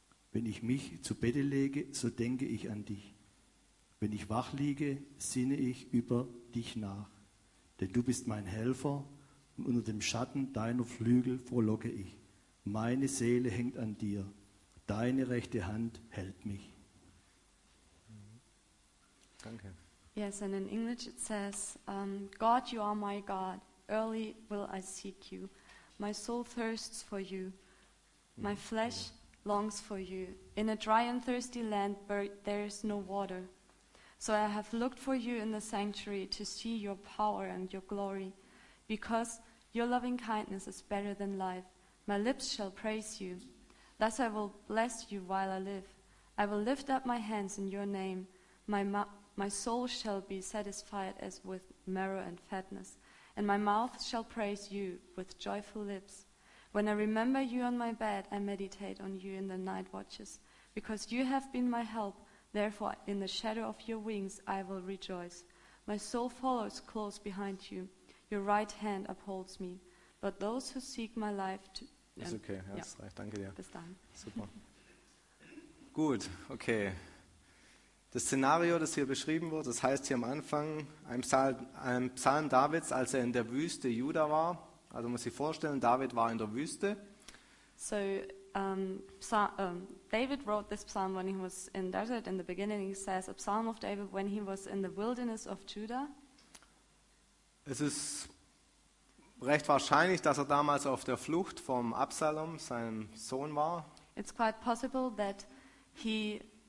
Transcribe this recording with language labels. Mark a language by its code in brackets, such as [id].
[de] Wenn ich mich zu Bette lege, so denke ich an dich. Wenn ich wach liege, sinne ich über dich nach. Denn du bist mein Helfer und unter dem Schatten deiner Flügel frohlocke ich. Meine Seele hängt an dir. Deine rechte Hand hält mich. Danke. [en] Yes, and in English it says, God, you are my God. Early will I seek you. My soul thirsts for you. My flesh longs for you. In a dry and thirsty land, there is no water. So I have looked for you in the sanctuary to see your power and your glory. Because your loving kindness is better than life. My lips shall praise you. Thus I will bless you while I live. I will lift up my hands in your name. My soul shall be satisfied as with marrow and fatness. And my mouth shall praise you with joyful lips. When I remember you on my bed, I meditate on you in the night watches. Because you have been my help, therefore in the shadow of your wings I will rejoice. My soul follows close behind you. Your right hand upholds me. But those who seek my life to... [de] Ist okay, ja, ja. Das reicht. Danke dir. Bis dann. Super. Gut, okay. Das Szenario, das hier beschrieben wurde, das heißt hier am Anfang, ein Psalm Davids, als er in der Wüste Juda war. Also muss ich vorstellen, David war in der Wüste. [en] So, David wrote this psalm when he was in the desert. In the beginning he says, a psalm of David when he was in the wilderness of Judah. [de] Es ist recht wahrscheinlich, dass er damals auf der Flucht vom Absalom, seinem Sohn, war. [en] It's quite possible that he